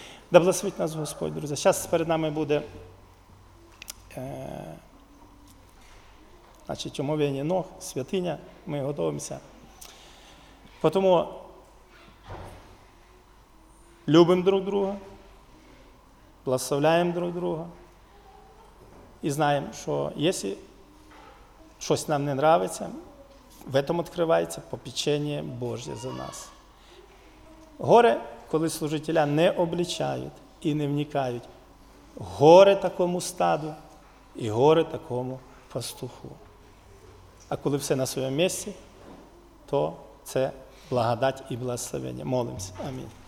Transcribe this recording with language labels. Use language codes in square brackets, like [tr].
[uk] Да благословить нас Господь, друзі. Зараз перед нами буде значить, омовлення ніг, святиня, ми готуємося. Тому любимо друг друга, благословляємо друг друга і знаємо, що якщо щось нам не подобається, [ru] в этом открывается попечение Божье за нас. [uk] Горе, коли служителя не обличають і не вникають. Горе такому стаду і горе такому пастуху. А коли все на своєму місці, то це благодать і благословення. Молимось. Амінь.